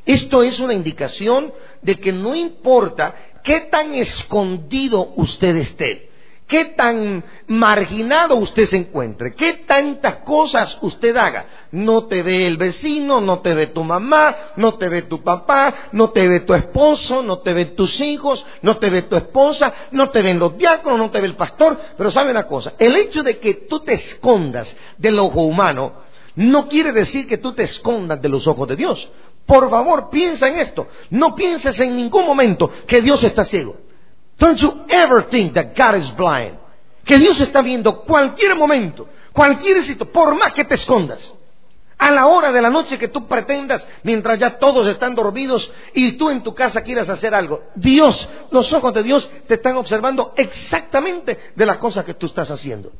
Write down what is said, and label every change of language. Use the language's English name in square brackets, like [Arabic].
[Spanish] Esto es una indicación de que no importa qué tan escondido usted esté, qué tan marginado usted se encuentre, qué tantas cosas usted haga, no te ve el vecino, no te ve tu mamá, no te ve tu papá, no te ve tu esposo, no te ven tus hijos, no te ve tu esposa, no te ven los diáconos, no te ve el pastor. Pero sabe una cosa, el hecho de que tú te escondas del ojo humano no quiere decir que tú te escondas de los ojos de Dios. Por favor, piensa en esto, no pienses en ningún momento que Dios está ciego. [English] Don't you ever think that God is blind? [Spanish] Que Dios está viendo cualquier momento, cualquier sitio, por más que te escondas. A la hora de la noche que tú pretendas, mientras ya todos están dormidos y tú en tu casa quieras hacer algo, Dios, los ojos de Dios te están observando exactamente de las cosas que tú estás haciendo.